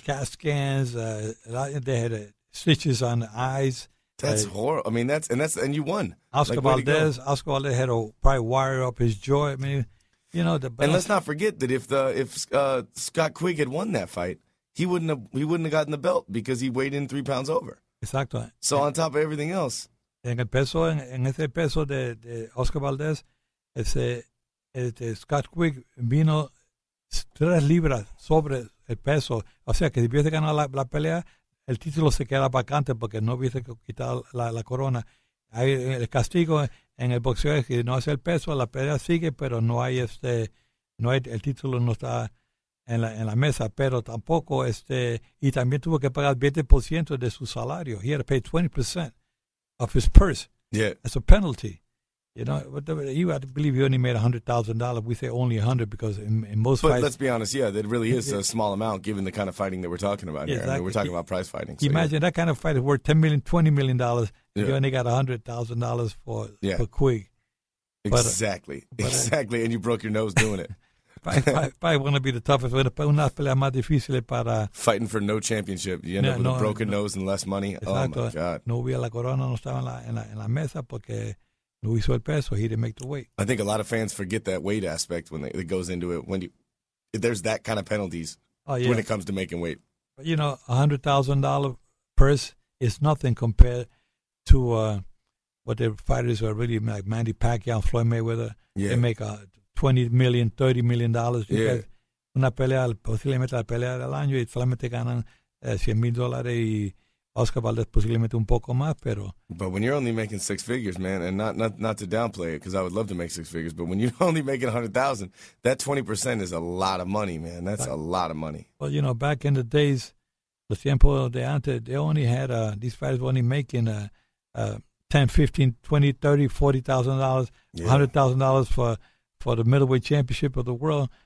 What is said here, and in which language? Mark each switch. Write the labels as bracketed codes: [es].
[en] CAT scans. They had stitches on the eyes. That's horrible. I mean, and you won. Oscar Valdez had to probably wire up his jaw. I mean, you know, and let's not forget that if Scott Quigg had won that fight, he wouldn't have gotten the belt because he weighed in 3 pounds over. [es] Exacto. [en] So on top of everything else. [es] En el peso, en ese peso de Oscar Valdez, Scott Quigg vino 3 libras sobre el peso. O sea, que si hubiese ganado la pelea, el título se queda vacante porque no hubiese quitado la corona. Hay el castigo en el boxeo, es que no hace el peso, la pelea sigue, pero no hay el título no está. en la mesa, pero tampoco, y también tuvo que pagar 20% de su salario. [en] He had to pay 20% of his purse. Yeah. As a penalty. You know, you have to believe he only made $100,000. We say only $100,000 because in most but fights. But let's be honest, yeah, that really is a small amount given the kind of fighting that we're talking about here. Exactly. I mean, we're talking about prize fighting. So imagine that kind of fight is worth $10 million, $20 million. Yeah. You only got $100,000 for Quig. Exactly. Exactly. And you broke your nose doing it. Probably going to be the toughest. But [es] una pelea más difícil para. [en] Fighting for no championship. You end up with a broken nose and less money. [es] Exacto. [en] Oh, my God. [es] No hubiera la corona, no estaba en la mesa porque. [en] Luis [es] el peso, [en] he didn't make the weight. I think a lot of fans forget that weight aspect when it goes into it. There's that kind of penalties when it comes to making weight. You know, $100,000 purse is nothing compared to what the fighters are really like. Manny Pacquiao, Floyd Mayweather, they make $20 million, $30 million. Yeah. [es] Una pelea, posiblemente la pelea del año, y solamente ganan $100,000 y... Oscar Valdez posiblemente un poco más, pero... [en] But when you're only making six figures, man, and not to downplay it, because I would love to make six figures, but when you're only making $100,000, that 20% is a lot of money, man. That's a lot of money. Well, you know, back in the days, [es] los tiempos de antes, [en] they only had, these fighters were only making $10,000, $15,000, $20,000, $30,000, $40,000, $100,000 for the middleweight championship of the world.